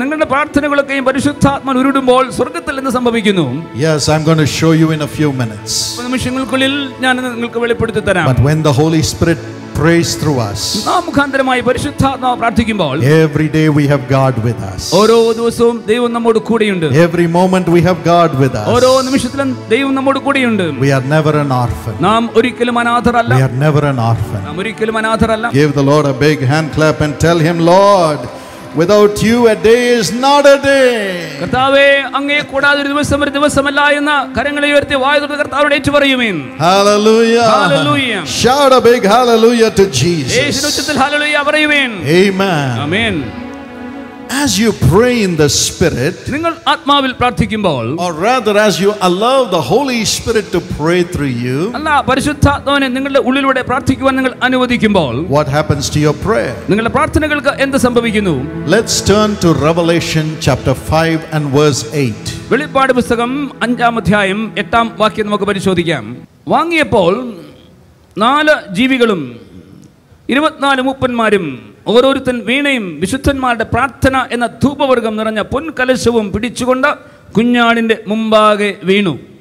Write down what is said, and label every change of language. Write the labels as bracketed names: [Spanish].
[Malayalam] നിങ്ങളുടെ പ്രാർത്ഥനകളൊക്കെയും പരിശുദ്ധാത്മാ ഉരുടുമ്പോൾ സ്വർഗത്തിൽ എന്ത് സംഭവിക്കുന്നു? [English] Yes, I'm going to show you in a few minutes. [Malayalam] നിമിഷങ്ങൾക്കുള്ളിൽ ഞാൻ നിങ്ങൾക്ക് വെളിപ്പെടുത്തി തരാം. [English] But when the Holy Spirit prays through us, [Malayalam] നാമുഖാന്തരമായി പരിശുദ്ധാത്മാവ് പ്രാർത്ഥിക്കുമ്പോൾ, [English] every day we have God with us. [Malayalam] ഓരോ ദിവസവും ദൈവം നമ്മോട് കൂടെയുണ്ട്. [English] Every moment we have God with us. [Malayalam] ഓരോ നിമിഷത്തിലും ദൈവം നമ്മോട് കൂടെയുണ്ട്. [English] We are never an orphan. [Malayalam] നാം ഒരിക്കലും അനാഥരല്ല. [English] We are never an orphan. [Malayalam] നാം ഒരിക്കലും അനാഥരല്ല. [English] Give the Lord a big hand clap and tell him, Lord, without you a day is not a day. [Malayalam] കർത്താവെ, അങ്ങേ കൂടാതെ ഒരു ദിവസം ഒരു ദിവസമല്ല എന്ന കരങ്ങളെ ഉയർത്തി വായുതൊട്ട് കർത്താവോട് ഏറ്റുപറയുമേൻ. Hallelujah. Hallelujah. [English] Shout a big hallelujah to Jesus. [Malayalam] യേശുവിന്റെ ഉച്ചത്തിൽ hallelujah പറയുമേൻ. Amen. Amen. [English] As you pray in the spirit, [Malayalam] നിങ്ങൾ ആത്മാവിൽ പ്രാർത്ഥിക്കുമ്പോൾ, [English] or rather as you allow the Holy Spirit to pray through you, [Malayalam] അല്ല പരിശുദ്ധാത്മാവിനെ നിങ്ങളുടെ ഉള്ളിലൂടെ പ്രാർത്ഥിക്കുവാൻ നിങ്ങൾ അനുവദിക്കുമ്പോൾ, [English] what happens to your prayer? [Malayalam] നിങ്ങളുടെ പ്രാർത്ഥനകൾക്ക് എന്ത് സംഭവിക്കുന്നു? [English] Let's turn to Revelation chapter 5 and verse 8. [Malayalam] വെളിപ്പാട് പുസ്തകം 5-ാം അധ്യായം 8-ാം വാക്യം നമുക്ക് പരിശോധിക്കാം. വാങ്ങിയപ്പോൾ നാല് ജീവികളും 24 മൂപ്പന്മാരും ഓരോരുത്തൻ വീണയും വിശുദ്ധന്മാരുടെ പ്രാർത്ഥന എന്ന ധൂപവർഗം നിറഞ്ഞ പൊൻകലശവും പിടിച്ചുകൊണ്ട് കുഞ്ഞാടിന്റെ മുമ്പാകെ വീണു.